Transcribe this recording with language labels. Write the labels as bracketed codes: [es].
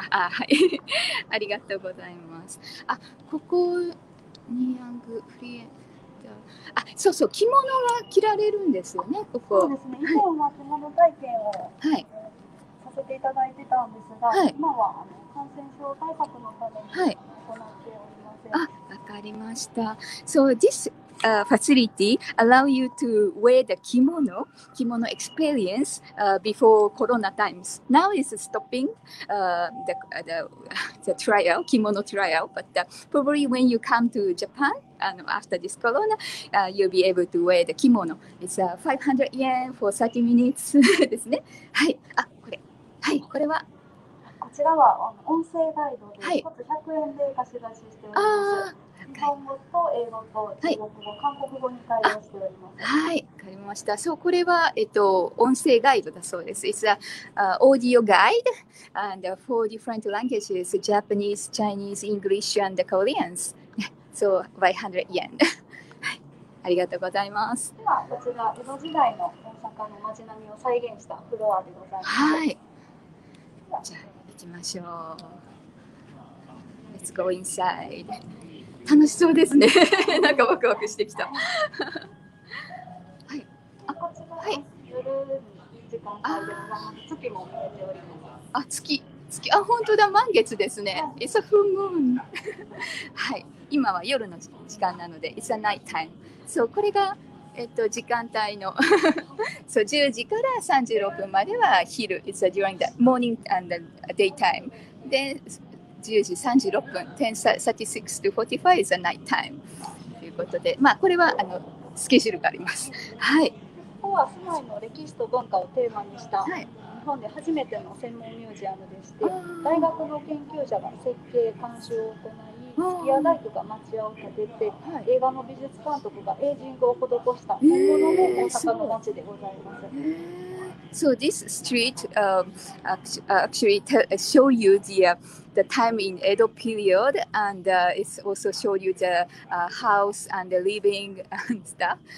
[ja] あ、はい、ありがとうございます。あ、ここニヤングフリエ、あ、そうそう、着物が着られるんですよね、ここ。そうですね。以前は着物体験を、はい、させていただいてたんですが、はい、今はあの感染症対策のために行っておりません。はい、あ、わかりました。 [en] So thisfacility allow you to wear the kimono experience before corona times. Now it's stopping the trial, kimono trial, but probably when you come to Japan after this corona, you'll be able to wear the kimono. It's 500 yen for 30 minutes. [ja] ですね。はい。あ、これ。はい、これは。こちらは音声ガイドで、はい、100円で貸し出ししております。日本語と英語と中国語、はい、韓国語に対応しております。はい、わかりました。そう、これは、音声ガイドだそうです。 [en] It's a audio guide and four different languages: Japanese, Chinese, English, and Korean. So, by 100 yen. [ja] はい、ありがとうございます。今、こちら江戸時代の大阪の街並みを再現したフロアでございます。はい。じゃあ行きましょう。 [en] Let's go inside. [ja] 楽しそうですね。なんかワクワクしてきた。はい。こちらは夜に時間帯で月も見えております。あ、月。月。あ、本当だ。満月ですね。はい、 [en] It's a full moon. [ja] はい。今は夜の時間なので、 [en] It's a night time. [ja] そう、これが、時間帯の。そう、10時から36分までは昼。 [en] It's a during the morning and the daytime. [ja] で10時36分、 [en] 10:36 to 45 is a night time [ja] ということで、まあこれはあのスケジュールがあります。はい。ここは住まいの歴史と文化をテーマにした日本で初めての専門ミュージアムでして、はい、大学の研究者が設計監修を行い、築屋大工が町屋を建てて、はい、映画の美術監督がエイジングを施した本物の大阪の街でございます。 [en] So this street actually show you the time in Edo period, and it's also show you the house and the living and stuff.